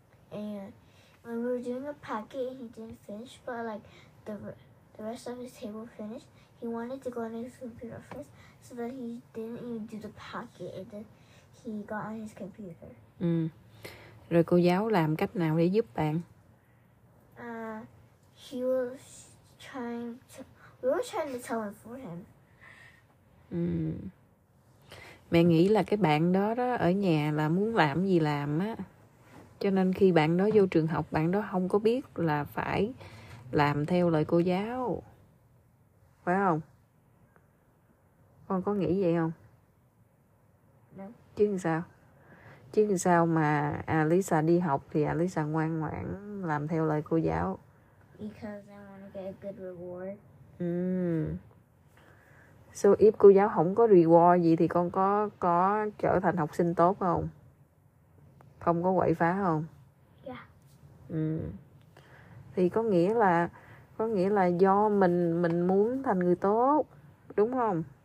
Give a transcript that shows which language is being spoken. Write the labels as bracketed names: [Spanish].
[English] And when we were doing a packet, he didn't finish, but like the rest of his table finished. He wanted to go on his computer first, so that he didn't even do the packet, and then he got on his computer. [Vietnamese] Rồi cô giáo làm cách nào để giúp bạn? [English] He was trying to. We were trying to tell him for him. [Vietnamese] Mẹ nghĩ là cái bạn đó đó ở nhà là muốn làm gì làm á. Cho nên khi bạn đó vô trường học, bạn đó không có biết là phải làm theo lời cô giáo. Phải không? Con có nghĩ vậy không? [English] No. [Vietnamese] Chứ làm sao? Chứ làm sao mà Alisa đi học thì Alisa ngoan ngoãn làm theo lời cô giáo? [English] Because I want to get a good reward. So if [Vietnamese] cô giáo không có reward gì thì con có trở thành học sinh tốt không? Không có quậy phá không? [English] Yeah. [Vietnamese] Thì có nghĩa là do mình muốn thành người tốt, đúng không?